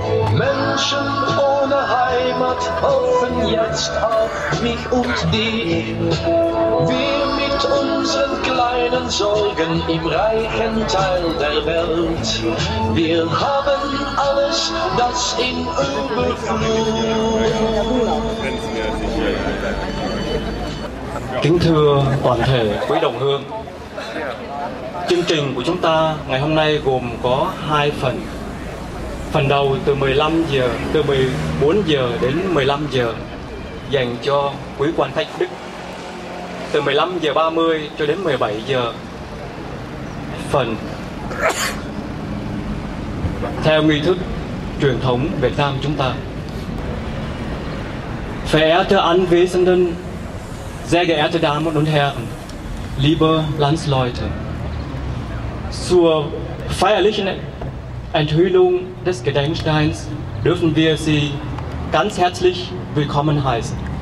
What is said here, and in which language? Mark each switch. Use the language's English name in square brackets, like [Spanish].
[German] Menschen ohne Heimat hoffen jetzt auf mich und dich. Wir mit unseren kleinen Sorgen im reichen Teil der Welt. Wir haben alles, das in Überfluss. [Vietnamese] Kính thưa toàn thể quý đồng hương, chương trình của chúng ta ngày hôm nay gồm có hai phần. Phần đầu từ 15 giờ, từ 14 giờ đến 15 giờ dành cho quý quan khách Đức. Từ 15 giờ 30 cho đến 17 giờ phần theo nghi thức truyền thống Việt Nam chúng ta. [German] Verehrte Anwesenden, sehr geehrte Damen und Herren, liebe Landsleute, zur feierlichen Enthüllung des Gedenksteins dürfen wir Sie ganz herzlich willkommen heißen.